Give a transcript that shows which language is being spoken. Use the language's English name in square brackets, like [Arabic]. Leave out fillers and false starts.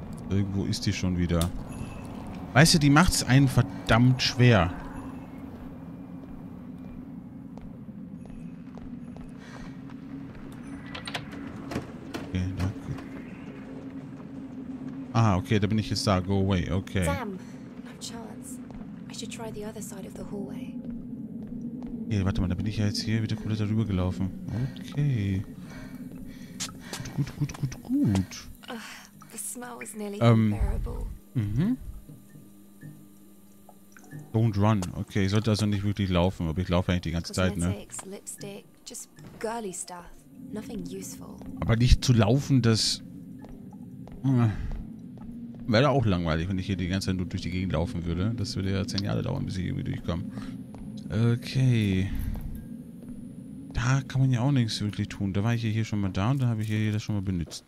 [German] Irgendwo ist die schon wieder. Weißt du, die macht es einen verdammt schwer. Ah, okay, da bin ich jetzt da. [English] Go away, okay. Sam, no chance. I should try the other side of the hallway. [German] Hey, warte mal, da bin ich ja jetzt hier wieder komplett darüber gelaufen. Okay. Gut, gut, gut, gut, gut. [English] The smell was nearly unbearable. Don't run. [German] Okay, ich sollte also nicht wirklich laufen, aber ich laufe eigentlich die ganze Zeit, ne? [English] Lipstick, just girly stuff. Nothing useful. [German] Aber nicht zu laufen, das... Wäre auch langweilig, wenn ich hier die ganze Zeit nur durch die Gegend laufen würde. Das würde ja 10 Jahre dauern, bis ich irgendwie durchkomme. Okay. Da kann man ja auch nichts wirklich tun. Da war ich ja hier schon mal da und da habe ich hier das schon mal benutzt.